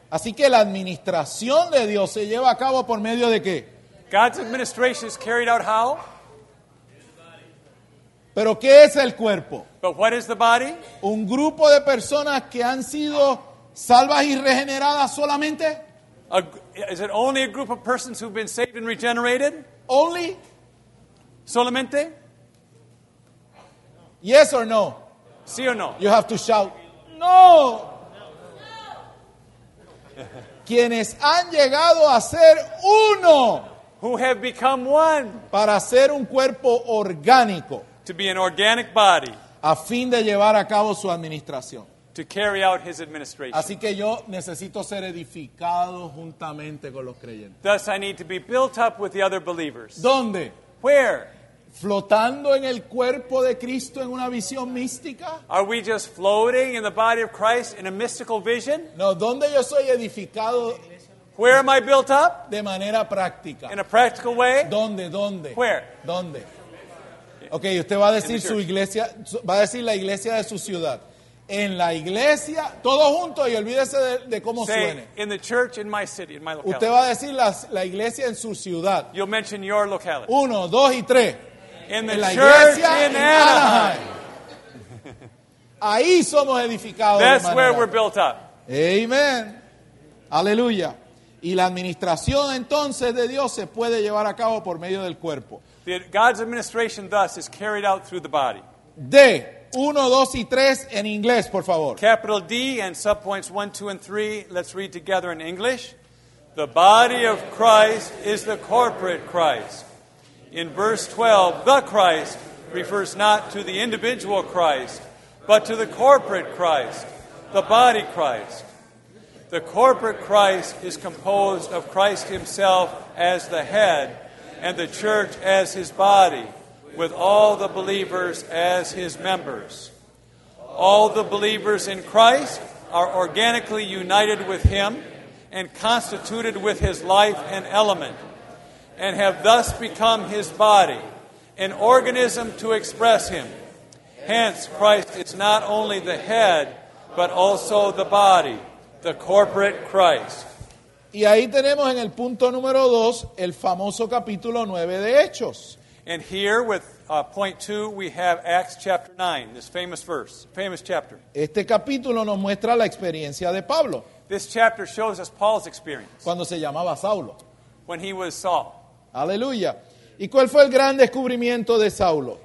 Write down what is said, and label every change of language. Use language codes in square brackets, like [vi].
[es] Así que la administración de Dios se lleva a cabo por medio de qué? [en] God's administration is carried out how? [es] ¿Pero qué es el cuerpo? [en] But what is the body? [es] ¿Un grupo de personas que han sido salvas y regeneradas solamente? [en] Is it only a group of persons who've been saved and regenerated? Only? [es] Solamente? [en] Yes or no? [es] Sí o no? [en] You have to shout. [es] No! Quienes han llegado a ser uno. [en] Who have become one. [es] Para ser un cuerpo orgánico. [en] To be an organic body. [es] A fin de llevar a cabo su administración. [en] To carry out his administration. [es] Así que yo necesito ser edificado juntamente con los creyentes. [en] Thus I need to be built up with the other believers. [es] ¿Dónde? [en] Where? [es] ¿Flotando en el cuerpo de Cristo en una visión mística? [en] Are we just floating in the body of Christ in a mystical vision? [es] No, ¿dónde yo soy edificado? [en] Where am I built up? [es] De manera práctica. [en] In a practical way? [es] ¿Dónde, dónde? [en] Where? [es] ¿Dónde? Okay, usted va a decir su iglesia, va a decir la iglesia de su ciudad. En la iglesia, todo junto y olvídese de cómo [en] say, [es] suene. [en] In the church, in my city, in my locality. [es] Usted va a decir la iglesia en su ciudad. [en] You'll mention your locality. [es] Uno, dos y tres. En la iglesia en Anaheim. Ahí somos edificados. [en] That's where we're built up. [es] Amen. Aleluya. Y la administración entonces de Dios se puede llevar a cabo por medio del cuerpo. [en] God's administration thus is carried out through the body. [es] De 1, 2 y 3 en inglés, por favor. [en] Capital D and subpoints 1, 2, and 3. Let's read together in English. The body of Christ is the corporate Christ. In verse 12, the Christ refers not to the individual Christ, but to the corporate Christ, the body Christ. The corporate Christ is composed of Christ himself as the head and the church as his body, with all the believers as his members. All the believers in Christ are organically united with him and constituted with his life and element, and have thus become his body, an organism to express him. Hence, Christ is not only the head, but also the body, the corporate Christ. [es] Y ahí tenemos en el punto número 2, el famoso capítulo 9 de Hechos. [en] And here with point 2, we have Acts chapter 9, this famous verse, famous chapter. [es] Este capítulo nos muestra la experiencia de Pablo. [en] This chapter shows us Paul's experience. [es] Cuando se llamaba Saulo. [en] When he was Saul. [es] Aleluya. ¿Y cuál fue el gran descubrimiento de Saulo?